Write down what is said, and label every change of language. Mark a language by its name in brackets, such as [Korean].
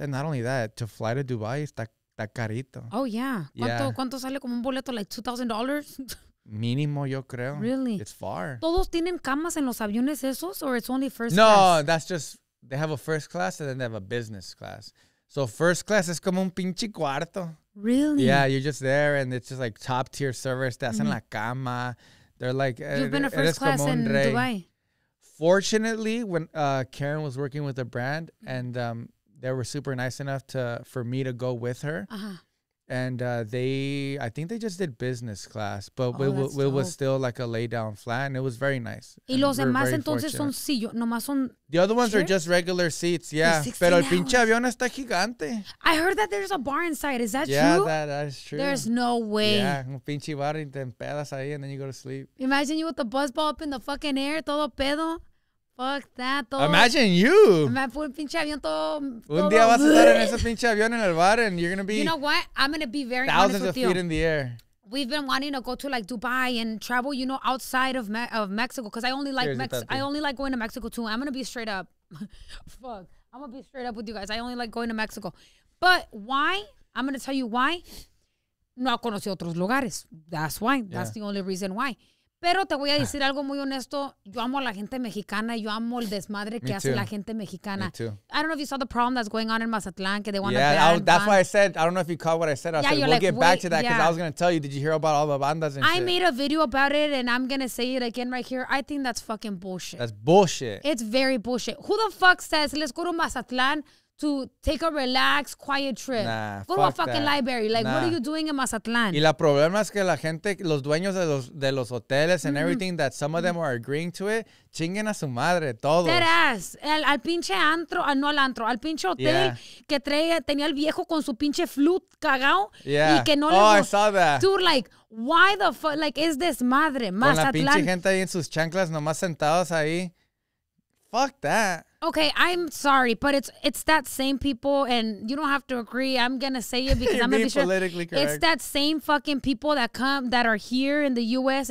[English] And not only that, to fly to Dubai is [Spanish] ta carito. [English] Oh, yeah. [Spanish] ¿Cuánto sale como un boleto? [English] Like $2,000? [Spanish] Mínimo, yo creo. [English] Really? It's far. [Spanish] ¿Todos tienen camas en los aviones esos, [English] or it's only first class? No, that's just, they have a first class and then they have a business class. So first class [Spanish] es como un pinche cuarto. [English] Really? Yeah, you're just there, and it's just like top tier service. That's [Spanish] en la cama. [English] They're like, you've been a first class in Dubai. Fortunately, when Karen was working with a brand, and they were super nice enough for me to go with her, and I think they just did business class, but it was still like a lay down flat, and it was very nice. [Spanish] Y los demás entonces son sillos, nomás son. [English] The other ones are just regular seats, yeah. [Spanish] Pero el pinche avión está gigante. [English] I heard that there's a bar inside. Is that true? Yeah, that is true. There's no way. [Spanish] Yeah, un pinche bar y te empedas ahí [English] and then you go to sleep. Imagine you with the buzz ball up in the fucking air, [Spanish] todo pedo. [English] Fuck that, todo. Imagine you. [Spanish] Un pinche avión todo. Un día vas a estar en ese pinche avión en el bar [English] and you're going to be. You know what? I'm going to be very honest with you. Thousands of feet in the air. We've been wanting to go to like Dubai and travel, you know, outside of Mexico, because I only like I only like going to Mexico too. I'm gonna be straight up. Fuck, I'm gonna be straight up with you guys. I only like going to Mexico, but why? I'm gonna tell you why. [Spanish] No ha conocido otros lugares. [English] That's why. Yeah. That's the only reason why. [Spanish] Pero te voy a decir algo muy honesto. Yo amo a la gente mexicana. Yo amo el desmadre que hace la gente mexicana. [English] Me too. I don't know if you saw the problem that's going on in Mazatlan. Que they want why I said, I don't know if you caught what I said. I said, we'll get back to that because I was going to tell you, did you hear about all the bandas and I made a video about it and I'm going to say it again right here. I think that's fucking bullshit. That's bullshit. It's very bullshit. Who the fuck says, let's go to Mazatlan to take a relaxed, quiet trip? Nah, go to a fucking library. Like, what are you doing in Mazatlan? [Spanish] Y la problema es que la gente, los dueños de los hoteles [English] and everything, that some of them are agreeing to it, [Spanish] chinguen a su madre, todos. [English] Deadass. [Spanish] Al pinche antro, no al antro, al pinche hotel que tenía el viejo con su pinche flute cagao. [English] Yeah. [Spanish] Y que no [English] I saw that. Dude, like, why the fuck, like, is this madre, Mazatlan? [Spanish] Con la pinche gente ahí en sus chanclas, nomás sentados ahí. [English] Fuck that. okay, I'm sorry, but it's that same people, and you don't have to agree. I'm gonna say it because I'm gonna be politically sure. Correct. It's that same fucking people that come that are here in the U.S.